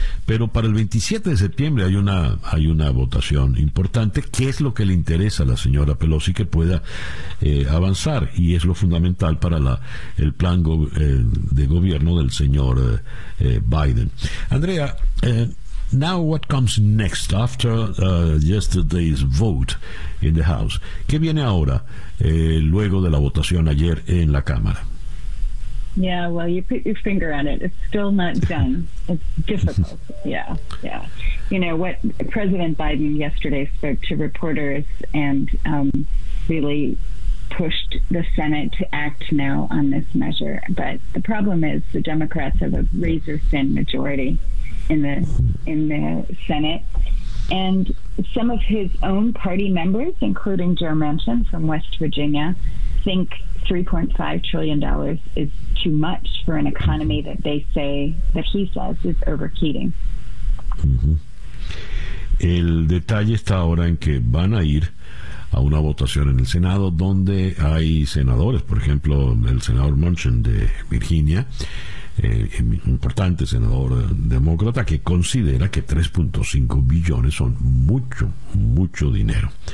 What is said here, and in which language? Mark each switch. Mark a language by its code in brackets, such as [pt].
[es] Pero para el 27 de septiembre hay una votación importante. ¿Qué es lo que le interesa a la señora Pelosi que pueda avanzar? Y es lo fundamental para el plan de gobierno del señor Biden. [en] Andrea, now what comes next after yesterday's vote in the House? [es] ¿Qué viene ahora luego de la votación ayer en la Cámara? [en] Yeah, well, you put your finger on it. It's still not done. It's difficult. Yeah, yeah. You know, what President Biden yesterday spoke to reporters and really pushed the Senate to act now on this measure. But the problem is the Democrats have a razor-thin majority in the Senate. And some of his own party members, including Joe Manchin from West Virginia, think $3.5 trillion is too much for an economy that he says is overheating. [es] El detalle está ahora en que van a ir a una votación en el Senado donde hay senadores, por ejemplo, el senador Manchin de Virginia, importante senador demócrata, que considera que 3.5 billones son mucho, mucho dinero.